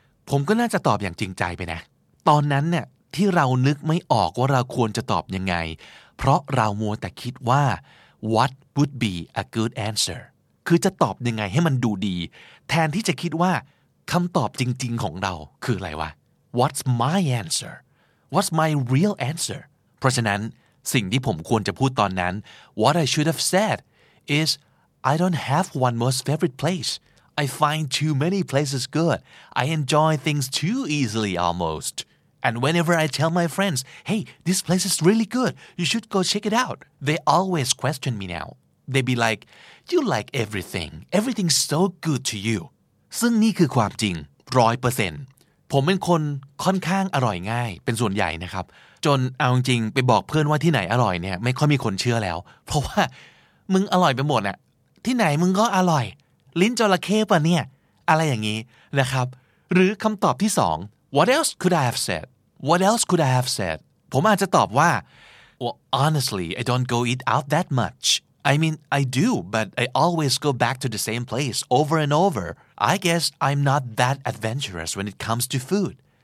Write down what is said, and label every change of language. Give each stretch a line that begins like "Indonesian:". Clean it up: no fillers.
Thai: ผมก็น่าจะตอบอย่างจริงใจไปนะตอนนั้นเนี่ยที่เรานึกไม่ออกว่าเราควรจะตอบยังไงเพราะเรามัวแต่คิดว่า
English: what would be a good answer
Thai: คือจะตอบยังไงให้มันดูดีแทนที่จะคิดว่าคำตอบจริงๆของเราคืออะไรวะ
English: what's my answer what's my real answer
Thai: เพราะฉะนั้นสิ่งที่ผมควรจะพูดตอนนั้น
English: what I should have said is I don't have one most favorite placeI find too many places good. I enjoy things too easily almost. And whenever I tell my friends, hey, this place is really good. You should go check it out. They always question me now. They be like, you like everything. Everything's so good to you.
Thai: ซึ่งนี่คือความจริง 100%. ผมเป็นคนค่อนข้างอร่อยง่ายเป็นส่วนใหญ่นะครับจนเอาจริงไปบอกเพื่อนว่าที่ไหนอร่อยเนี่ยไม่ค่อยมีคนเชื่อแล้วเพราะว่า มึงอร่อยไปหมดอะที่ไหนมึงก็อร่อยลิ้นจระเข้ป่ะเนี่ยอะไรอย่างนี้นะครับหรือคำตอบที่สอง
English: What else could I have said
Thai: ผมอาจจะตอบว่า
English: Well honestly I don't go eat out that much I mean I do but I always go back to the same place over and over I guess I'm not that adventurous when it comes to food